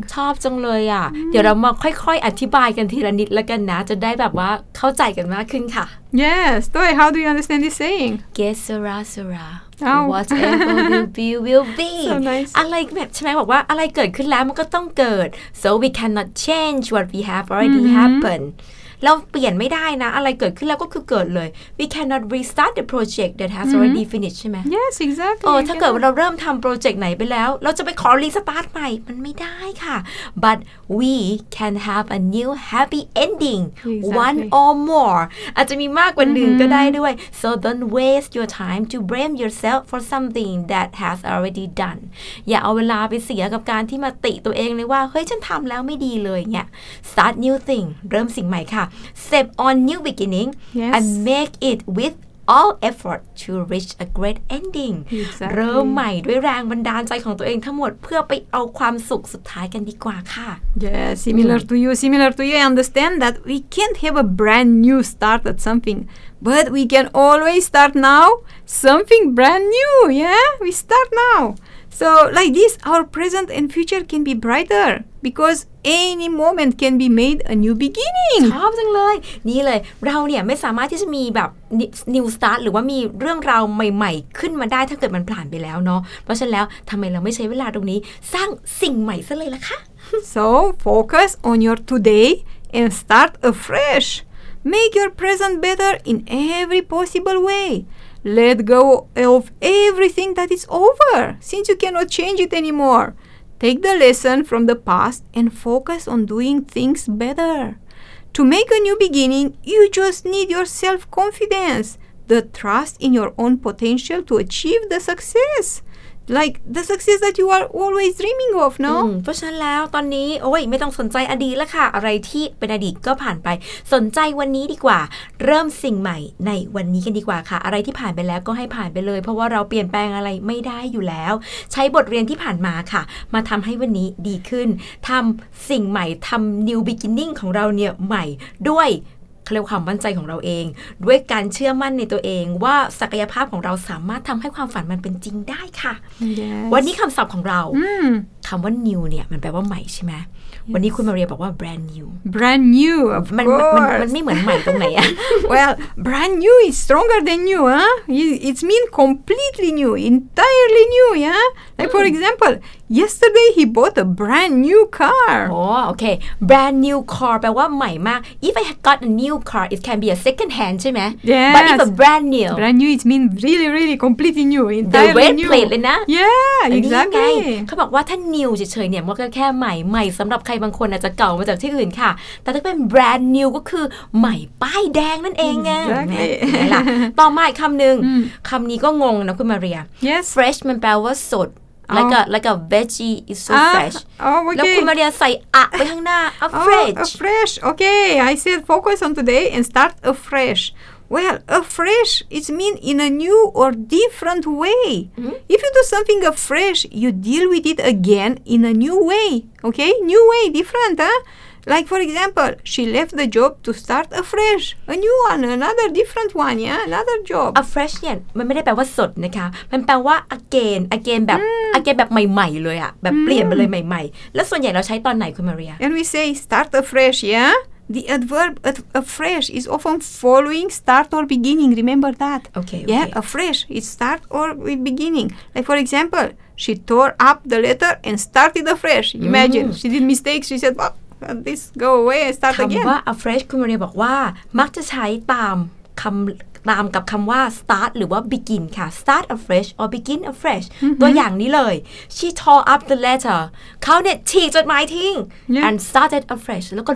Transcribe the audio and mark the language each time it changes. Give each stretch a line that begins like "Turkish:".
Thai: ชอบจังเลยอ่ะ เดี๋ยวเรามาค่อยๆอธิบายกันทีละนิดละกันนะจะได้แบบว่าเข้าใจกันมากขึ้นค่ะ
English: Yes, Toy, how do you understand this saying?
Spanish: Que sera, sera.
English: Whatever you be, will be. So nice.
Thai: อะไรแบบใช่ไหมบอกว่าอะไรเกิดขึ้นแล้วมันก็ต้องเกิด
English: So we cannot change what we have already happened.
Thai: เราเปลี่ยนไม่ได้นะอะไรเกิดขึ้นแล้วก็คือเกิดเลย
English: We cannot restart the project that has already finished
Thai: ใช่ไหม
English: Yes exactly
Thai: โอ้ถ้าเกิดเราเริ่มทำโปรเจกต์ไหนไปแล้วเราจะไปขอรีสตาร์ทใหม่มันไม่ได้ค่ะ
English: But we can have a new happy ending exactly. one or more
Thai: อาจจะมีมากกว่าหนึ่งก็ได้ด้วย
English: So don't waste your time to blame yourself for something that has already done
Thai: อย่าเอาเวลาไปเสียกับการที่มาติตัวเองเลยว่าเฮ้ยฉันทำแล้วไม่ดีเลยเนี่ย
English: Start new thing
Thai: เริ่มสิ่งใหม่ค่ะ
English: Set on new beginning yes. and make it with all effort to reach a great ending. Exactly.
Thai: เริ่มใหม่ด้วยแรงบันดาลใจของตัวเองทั้งหมดเพื่อไปเอาความสุขสุดท้ายกันดีกว่าค่ะ
English: Yeah, similar to you. Similar to you. I understand that we can't have a brand new start at something, but we can always start now something brand new. Yeah, we start now. So like this, our present and future can be brighter. Because any moment can be made a new beginning.
Thai: ชอบจังเลยนี่เลยเราเนี่ยไม่สามารถที่จะมีแบบ new start หรือว่ามีเรื่องราวใหม่ๆขึ้นมาได้ถ้าเกิดมันผ่านไปแล้วเนาะเพราะฉะนั้นแล้วทำไมเราไม่ใช้เวลาตรงนี้สร้างสิ่งใหม่ซะเลยล่ะคะ
English: So focus on your today and start afresh. Make your present better in every possible way. Let go of everything that is over, since you cannot change it anymore. Take the lesson from the past and focus on doing things better. To make a new beginning, you just need your self-confidence, the trust in your own potential to achieve the success. like the success that you are always dreaming of, no?
Thai: เพราะฉะนั้นแล้วตอนนี้โอ้ยไม่ต้องสนใจอดีตแล้วค่ะอะไรที่เป็นอดีตก็ผ่านไปสนใจวันนี้ดีกว่าเริ่มสิ่งใหม่ในวันนี้กันดีกว่าค่ะอะไรที่ผ่านไปแล้วก็ให้ผ่านไปเลยเพราะว่าเราเปลี่ยนแปลงอะไรไม่ได้อยู่แล้วใช้บทเรียนที่ผ่านมาค่ะมาทำให้วันนี้ดีขึ้นทำสิ่งใหม่ทำ new beginning ของเราเนี่ยใหม่ด้วยเรียกความมั่นใจของเราเองด้วยการเชื่อมั่นในตัวเองว่าศักยภาพของเราสามารถทำให้ความฝันมันเป็นจริงได้ค่ะ
English: yes.
Thai: วันนี้คำศัพท์ของเราคำว่า new เนี่ยมันแปลว่าใหม่ใช่ไหม
English: yes.
Thai: วันนี้คุณมาเรียบอกว่า brand new
English: brand new of
Thai: course มันไม่เหมือนใหม่ตรงไหนอะ
English: well brand new is stronger than new huh it's mean completely new entirely new yeah like for example yesterday he bought a brand new car oh okay brand new car
Thai: แปลว่าใหม่มาก
English: if I got a new car it can be a second hand
Thai: ใช่ไหม
English: yes but if a brand new it mean really really completely new entirely new the red plate
Thai: เลยนะ
English: yeah exactly
Thai: เขาบอกว่าถ้า new เฉยๆเนี่ยมันก็แค่ใหม่ใหม่สำหรับใครบางคนอาจจะเก่ามาจากที่อื่นค่ะแต่ถ้าเป็น brand new ก็คือใหม่ป้ายแดงนั่นเองไง
English: exactly
Thai: ต่อมาอีกคำหนึ่งคำนี้ก็งงนะคุณมาเรีย
English: yes
Thai: fresh มันแปลว่าสด
English: Like a veggie is so fresh. Oh, okay.
Thai: แล้วคุณมาเรียใส่อะไปข้างหน้า afresh.
English: Okay, I said focus on today and start afresh. Well, afresh it mean in a new or different way. Mm-hmm. If you do something afresh, you deal with it again in a new way. Okay, new way, different, huh? Like for example, she left the job to start afresh, a new one, another different one, yeah, another job.
Thai: Afresh เนี่ยมันไม่ได้แปลว่าสดนะคะมันแปลว่า again แบบ again แบบใหม่ๆเลยอะแบบเปลี่ยนไปเลยใหม่ๆแล้วส่วนใหญ่เราใช้ตอนไหนคุณมาเรีย
English: And we say start afresh, yeah. The adverb afresh is often following start or beginning. Remember that. Okay. Yeah, afresh. It's start or with beginning. Like, for example, she tore up the letter and started afresh. Imagine. Mm-hmm. She did mistakes. She said, well, this go away and start again.
Thai: คำว่า afresh คุณมาเรียบอกว่ามักจะใช้ตามกับคำว่า start หรือว่า begin ค่ะ
English: start afresh or begin afresh
Thai: ตัวอย่างนี้เลย
English: she tore up the letter
Thai: เขาเนี่ยฉีกจดหมายทิ้ง
English: and started afresh
Thai: แล้วก็